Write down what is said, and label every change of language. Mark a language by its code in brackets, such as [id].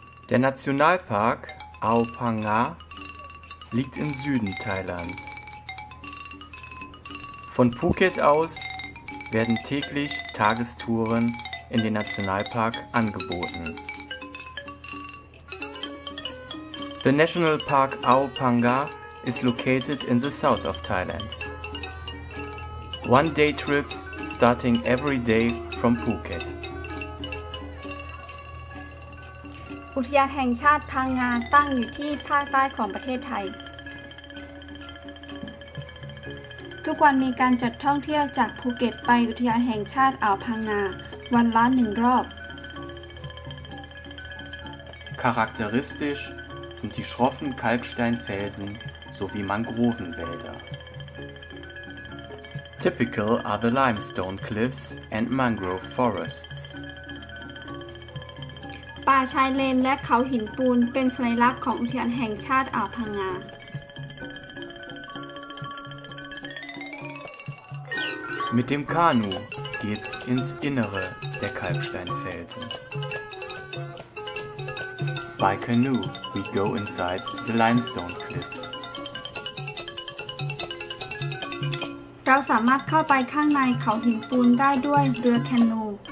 [de] Der Nationalpark Ao Phanga liegt im Süden Thailands. Von Phuket aus werden täglich Tagestouren in den Nationalpark angeboten. [en] The National Park Ao Phanga is located in the south of Thailand. One-day trips starting every day from Phuket. [th] อุทยานแห่งชาติพังงาตั้งอยู่ที่ภาคใต้ของประเทศไทยทุกวันมีการจัดท่องเที่ยวจากภูเก็ตไปอุทยานแห่งชาติอ่าวพังงาวันละ1รอบ [de] Charakteristisch sind die schroffen Kalksteinfelsen sowie Mangrovenwälder. [en] Typical are the limestone cliffs and mangrove forests. [th] ป่าชายเลนและเขาหินปูนเป็นสัญลักษณ์ของอุทยานแห่งชาติอ่าวพังงา [de] Mit dem Kanu geht's ins Innere der Kalksteinfelsen. [en] By canoe we go inside the limestone cliffs. [th] เราสามารถเข้าไปข้างในเขาหินปูนได้ด้วยเรือแคนู